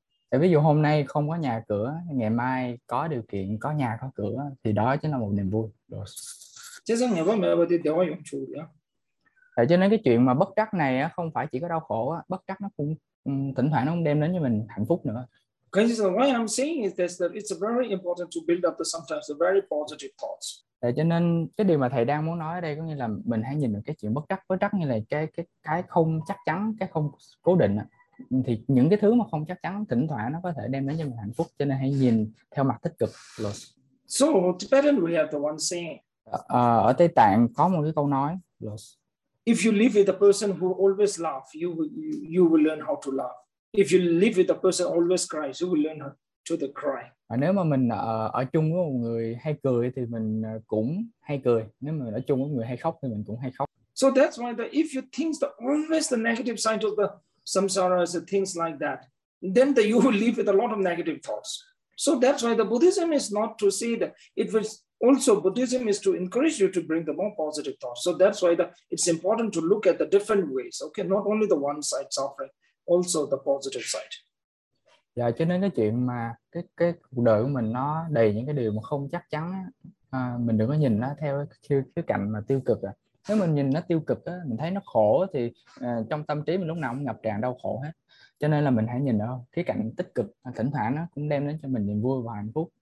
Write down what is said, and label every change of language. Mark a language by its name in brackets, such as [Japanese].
[Vietnamese] Ví dụ hôm nay không có nhà cửa, ngày mai có điều kiện có nhà có cửa thì đó chính là một niềm vui. Cho nên cái chuyện mà bất trắc này không phải chỉ có đau khổ, bất trắc nó cũng thỉnh thoảng nó cũng đem đến cho mình hạnh phúc nữa. [English] Because so what I'm saying is this, that it's very important to build up the sometimes the very positive thoughts. [Vietnamese] Để cho nên cái điều mà thầy đang muốn nói ở đây có nghĩa là mình hãy nhìn được cái chuyện bất chắc bất chắc như là cái không chắc chắn, cái không cố định á. Thì những cái thứ mà không chắc chắn thỉnh thoảng nó có thể đem đến cho mình hạnh phúc, cho nên hãy nhìn theo mặt tích cực. [English] So Tibetan we have the one saying. [Vietnamese] Ở Tây Tạng có một cái câu nói. [English] If you live with a person who always laugh, you will learn how to laugh. If you live with a person always cries, you will learn how to the cry. [Vietnamese] Và nếu mà mình ở chung với một người hay cười thì mình cũng hay cười. Nếu mà ở chung với một người hay khóc thì mình cũng hay khóc. [English] So that's why the if you think the always the negative side of the samsara is things like that, then the you will live with a lot of negative thoughts. So that's why the Buddhism is not to say that it was also Buddhism is to encourage you to bring the more positive thoughts. So that's why the it's important to look at the different ways. Okay, not only the one side suffering, also the positive side. [Vietnamese] Dạ, cho nên cái chuyện mà cái cuộc đời của mình nó đầy những cái điều mà không chắc chắn á, mình đừng có nhìn nó theo cái cạnh mà tiêu cực. Nếu mình nhìn nó tiêu cực á, mình thấy nó khổ thì trong tâm trí mình lúc nào cũng ngập tràn đau khổ hết. Cho nên là mình hãy nhìn ở khía cạnh tích cực, thỉnh thoảng nó cũng đem đến cho mình niềm vui và hạnh phúc.